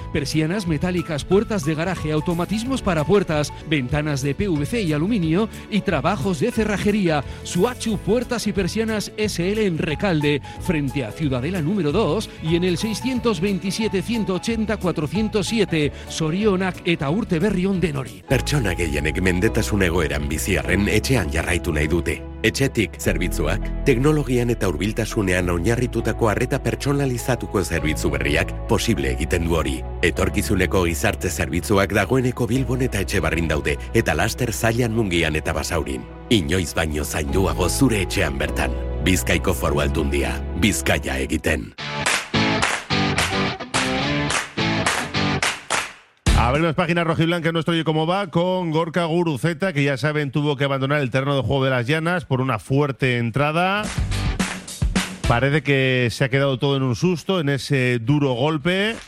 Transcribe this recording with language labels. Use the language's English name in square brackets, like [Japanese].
[Spanish] Persianas metálicas, puertas de garaje, automatismos para puertas, ventanas de PVC y aluminio y trabajos de cerrajería. Suachu Puertas y Persianas SL en Recalde, frente a Ciudadela número 2 y en el 627-180-407, [Basque] Sorionak eta Urte Berrion Denori. Pertsona gehienek mendetasun egoeran biziarren etxean jarraitu nahi dute. Etxetik zerbitzuak, teknologian eta hurbiltasunean oinarritutako arreta pertsonalizatuko zerbitzu berriak, posible egiten du hori. Etorkizuneko gizarte zerbitzuak dagoeneko Bilbon eta Etxebarrin daude, eta laster Zallan, Mungian eta Basaurin. Inoiz baino zainduago zure etxean bertan. Bizkaiko Foru Aldundia, Bizkaia egiten. [Spanish] Abrimos página rojiblanca en nuestro Oye Cómo Va con Gorka Guruceta, que ya saben, tuvo que abandonar el terreno de juego de las Llanas por una fuerte entrada. Parece que se ha quedado todo en un susto, en ese duro golpe.